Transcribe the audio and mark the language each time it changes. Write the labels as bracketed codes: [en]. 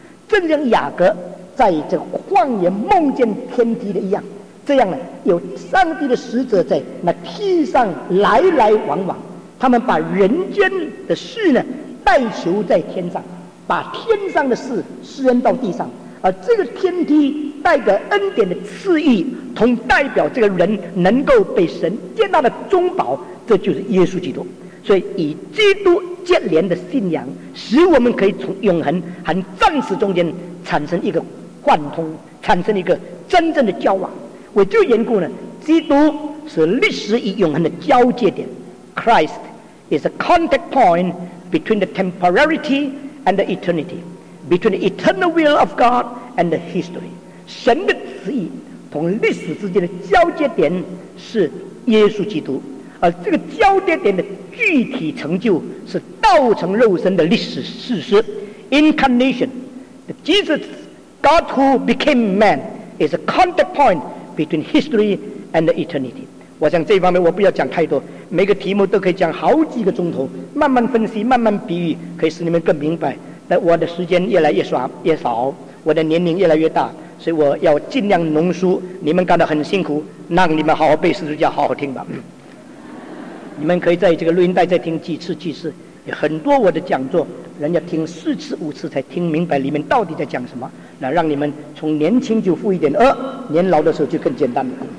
[zh] 正像雅各在这旷野梦见天梯的一样，这样呢，有上帝的使者在那梯上来来往往，他们把人间的事呢带求在天上，把天上的事施恩到地上，而这个天梯带着恩典的赐意，同代表这个人能够被神接纳的宗保，这就是耶稣基督。所以以基督接连的信仰，使我们可以从永恒和暂时中间产生一个贯通，产生一个真正的交往。为这个缘故呢，基督是历史与永恒的交界点。 [en] Christ is a contact point between the temporality and the eternity, between the eternal will of God and the history. [zh] 神的旨意同历史之间的交界点是耶稣基督，而这个交界点的具体成就是道成肉身的历史事实 Incarnation. [en] JesusGod who became man is a contact point between history and eternity. [zh] 我想这方面我不要讲太多，每个题目都可以讲好几个钟头，慢慢分析，慢慢比喻，可以使你们更明白。但我的时间越来越少，我的年龄越来越大，所以我要尽量浓缩。你们干得很辛苦，让你们好好背十字架，好好听吧。你们可以在这个录音带再听几次几次，很多我的讲座人家听四次五次才听明白里面到底在讲什么，那让你们从年轻就富一点，而年老的时候就更简单了。